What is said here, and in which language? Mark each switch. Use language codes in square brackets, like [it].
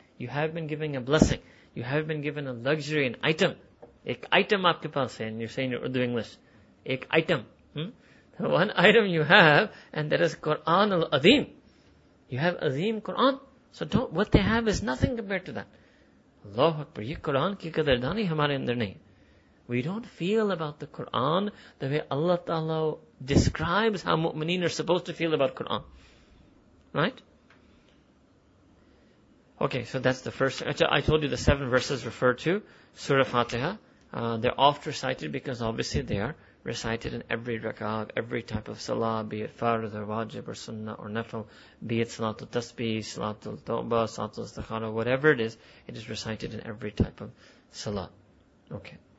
[en] You have been given a blessing. You have been given a luxury, an item. [ur] Ek item aapke paas hai, [en] and you're saying your Urdu English. [ur] Ek item. [en] The one item you have, and that is Quran al-Azim. You have Azim Quran. So don't, what they have is nothing compared to that. Allahu Akbar. [ur] یہ قرآن کی قدردانی ہمارے اندر نہیں۔ [en] We don't feel about the Quran the way Allah Ta'ala describes how mu'mineen are supposed to feel about Quran. Right? Okay, so that's the first. Actually, I told you the seven verses refer to Surah Fatiha. They're oft recited because obviously they are recited in every rak'ah of every type of salah, be it fard or wajib or sunnah or nafl, be it salatul tasbih, salatul tawbah, salatul istikhara, whatever it is recited in every type of salah. Okay.